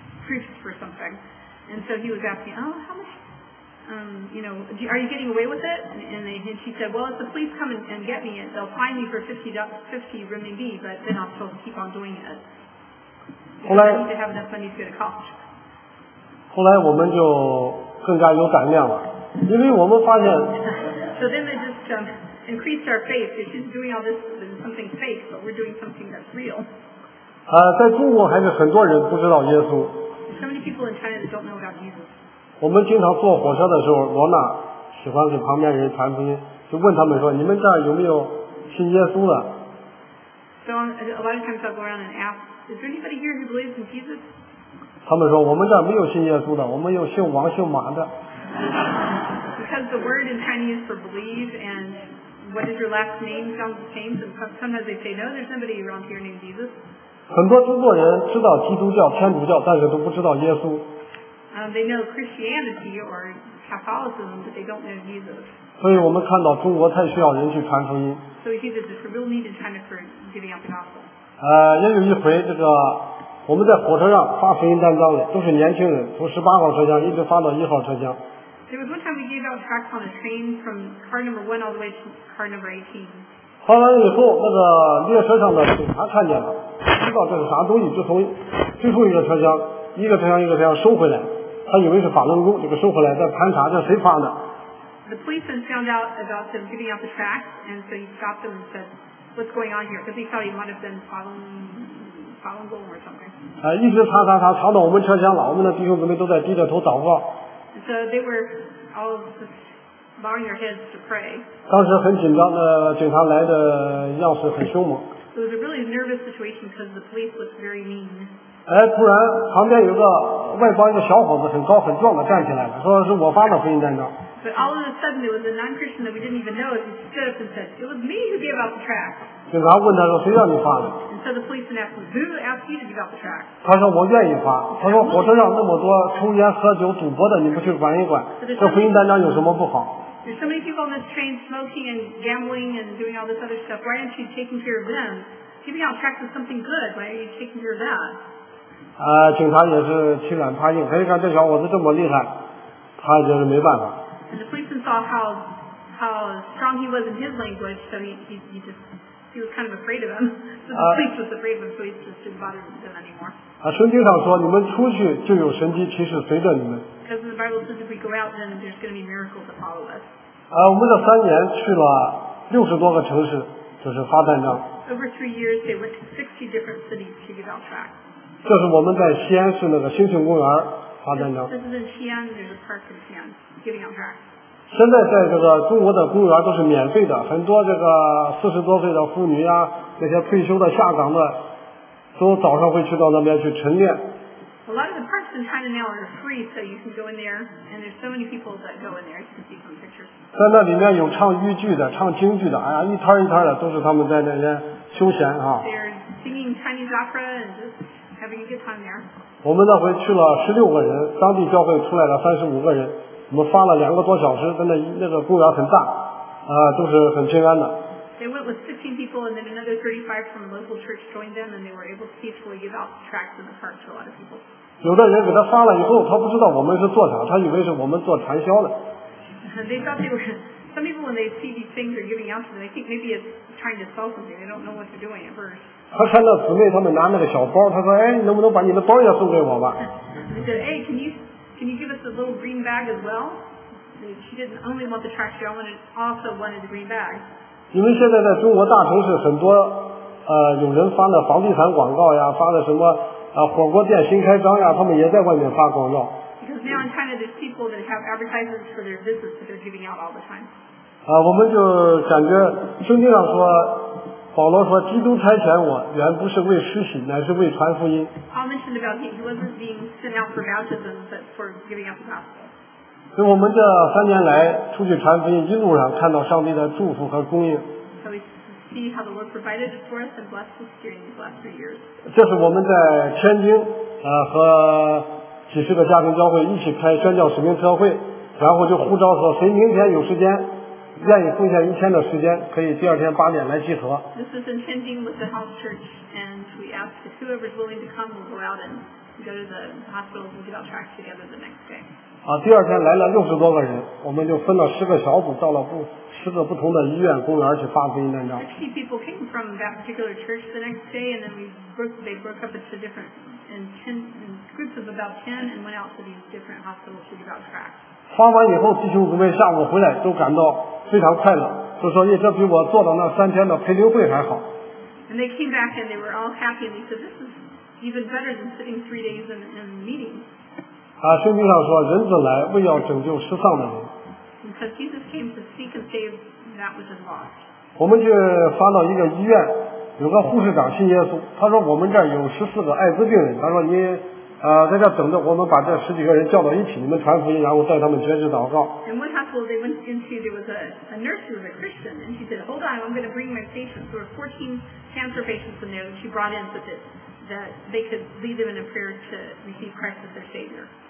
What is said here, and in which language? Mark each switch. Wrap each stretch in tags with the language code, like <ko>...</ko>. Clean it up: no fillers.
<en>For something, and so he was asking, "Oh, how much? Are you getting away with it?" And she said, "Well, if the police come and get me, they'll fine me for 50 renminbi, but then I'll still keep on doing it."</en> <zh>后来</zh> <en>to have enough money to go to college.</en> <zh>后来我们就更加有胆量了，因为我们发现</zh> <en>so then they just increased our faith. They're just doing all this something fake, but we're doing something that's real.</en> <zh>在中国还是很多人不知道耶稣。</zh> <en>So many people in China don't know about Jesus.</en> <zh>我们经常坐火车的时候，罗娜喜欢给旁边人传福音，就问他们说，你们这儿有没有信耶稣的？</zh> <en>So a lot of times I'll go around and ask, is there anybody here who believes in Jesus?</en> <zh>他们说，我们这儿没有信耶稣的，我们有姓王姓马的。</zh> <en>Because the word in Chinese for believe and what is your last name sounds the same, so sometimes they say, no, there's nobody around here named Jesus.</en> <zh>很多中国人知道基督教、天主教，但是都不知道耶稣。</zh> <en>They know Christianity or Catholicism, but they don't know Jesus.</en> <zh>所以我们看到中国太需要人去传福音。</zh> <en>So we see that there's a real need in China for giving out the gospel.</en> <zh>也有一回这个。我们在火车上发福音单张了，都是年轻人，从十八号车厢一直发到一号车厢。</zh> <en>There was one time we gave out tracts on a train from car number one all the way to car number 18.</en> <zh>发完以后，那个列车上的警察看见了，知道这是啥东西，就从最后一个车厢，一个车厢一个车厢收回来。他以为是法轮功，就给收回来，再盘查这谁发的。</zh> <en>The policeman found out about them giving out the tracts, and so he stopped them and said, "What's going on here?" Because he thought he might have been following or something.</en> <zh>一直查查查，查到我们车厢了，我们的弟兄姊妹都在低着头祷告。</zh> <en>So they were all bowing their heads to pray.</en> <zh>当时很紧张的，警察来的样式很凶猛。</zh> <en>It was a really nervous situation because the police looked very mean.</en> <zh>突然旁边有个外邦一个小伙子，很高很壮的站起来了，说是我发的福音单张。</zh> <en>But all of a sudden, there was a non-Christian that we didn't even know. He stood up and said, "It was me who gave out the tract."</en> <zh>警察问他说，谁让你发的？</zh> <en>So the policeman asked him, "Who asked you to give out the track?"</en> <zh>他说我愿意发。他说火车上那么多抽烟喝酒赌博的，你不去管一管？这福音单张有什么不好？</zh> <en>There's so many people on this train smoking and gambling and doing all this other stuff. Why aren't you taking care of them? Giving out tracks is something good. Why are you taking care of that?</en> <zh>警察也是欺软怕硬，哎，看这小伙子这么厉害，他就是没办法。</zh> <en>And the policeman saw how strong he was in his language, so he was kind of afraid of him. So the police was afraid of him, so he just didn't bother them anymore.</en> <zh>圣经上说，你们出去就有神迹奇事随着你们。</zh> <en>Because the Bible says if we go out, then there's going to be miracles that follow us.</en> <zh>我们这三年去了六十多个城市，就是发单张。</zh> <en>Over 3 years, they went to 60 different cities to give out tracts.</en> <zh>这是我们在西安市那个星星公园发单张。</zh> <en>This is in Xi'an, there's a park in Xi'an giving out tracts.</en> <zh>现在在这个中国的公园都是免费的，很多这个四十多岁的妇女啊，那些退休的下岗的，都早上会去到那边去晨练。</zh> <en>A lot of the parks in China now are free, so you can go in there, and there's so many people that go in there, you can see some pictures.</en> <zh>在那里面有唱豫剧的，唱京剧的，哎呀，一摊一摊的都是他们在那边休闲啊。</zh> <en>They're singing Chinese opera and just having a good time there.</en> <zh>我们那回去了16个人，当地教会出来了35个人。我们发了2个多小时，在那个公园很大，都是很平安的。</zh> <en>They went with 16 people, and then another 35 from a local church joined them, and they were able to peacefully give out tracts in the park to a lot of people.</en> <zh>有的人给他发了以后，他不知道我们是做啥，他以为是我们做传销的。</zh> <en>They thought they were some people when they see these things are giving out to them, they think maybe it's trying to sell something. They don't know what they're doing at first.</en> <zh>他看到姊妹他们拿那个小包，他说：“哎，能不能把你的包也送给我吧？”</zh> <en>They said, "Hey, can you give us a little green bag as well?" She didn't only want the tracts, she also wanted the green bag.</en> <zh>你们现在在中国大城市很多，有人发的房地产广告呀，发的什么火锅店新开张呀，他们也在外面发广告。</zh> <en>Because now in China there's people that have advertisements for their business that they're giving out all the time.</en> <zh>我们就感觉圣经上说，保罗说，基督差遣我，原不是为施洗，乃是为传福音。</zh> <en>Paul mentioned about he wasn't being sent out for baptism, but for giving out the gospel.</en> <zh>所以我们这三年来出去传福音，一路上看到上帝的祝福和供应。</zh> <en>So we see how the Lord provided for us and blessed us during these last 3 years.</en> <zh>这是我们在天津和几十个家庭教会一起开宣教使命特会，然后就呼召说，谁明天有时间。愿意奉献一天的时间，可以第二天8点来集合。</zh> <en>This is in Tianjin with the house church, and we asked if whoever is willing to come will go out and go to the hospitals and give out tracts together the next day.</en> <zh>第二天来了60多个人，我们就分了10个小组，到了10个不同的医院、公园去发福音单张。</zh> <en>60 people came from that particular church the next day, and then they broke up into different groups of about 10 and went out to these different hospitals to give out tracts.</en> <zh>发完以后，弟兄姊妹下午回来都感到非常快乐，就说：“耶，这比我坐到那三天的陪灵会还好。”</zh> <en>And they came back and they were all happy and they said, "This is even better than sitting 3 days in the meeting."</en> <zh>啊，圣经上说，人子来为要拯救失丧的人。</zh> <en>Because Jesus came to seek and save that which is lost.</en> <zh>我们就发到一个医院，有个护士长信耶稣，他说我们这儿有14个艾滋病人，他说你。在这等着，我们把这十几个人叫到一起，你们传福音，然后带他们接着祷告。</zh> <en>And one hospital they went into, there was a nurse who was a Christian, and she said, "Hold on, I'm going to bring my patients." There were 14 cancer patients in there that she brought in so that they could lead them in a prayer to receive Christ as their Savior.</en>